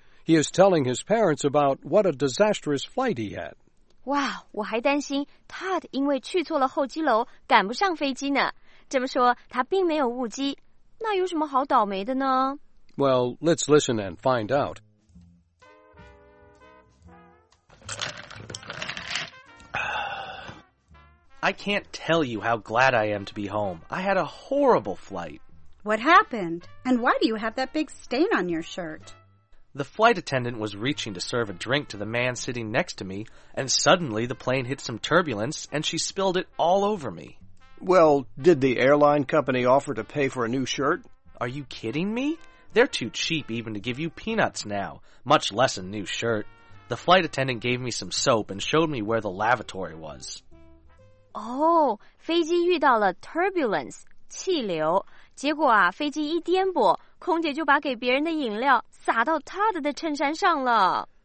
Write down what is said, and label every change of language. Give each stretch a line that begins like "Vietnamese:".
English: He is telling his parents about what a disastrous flight he had.
Chinese: Wow, 我还担心 Todd 因为去错了候机楼赶不上飞机呢。这么说他并没有误机，那有什么好倒霉的呢？
English: Well, let's listen and find out. I can't tell you how glad I am to be home. I had a horrible flight. What happened? And why do you have that big stain on your shirt? The flight attendant was reaching to serve a drink to the man sitting next to me, and suddenly the plane hit some turbulence, and she spilled it all over me. Well, did the airline company offer to pay for a new shirt? Are you kidding me? They're too cheap even to give you peanuts now, much less a new shirt. The flight attendant gave me some soap and showed me where the lavatory was.
Chinese: Oh, 飞机遇到了 turbulence, 气流。结果啊，飞机一颠簸，空姐就把给别人的饮料洒到 Todd 的衬衫上了。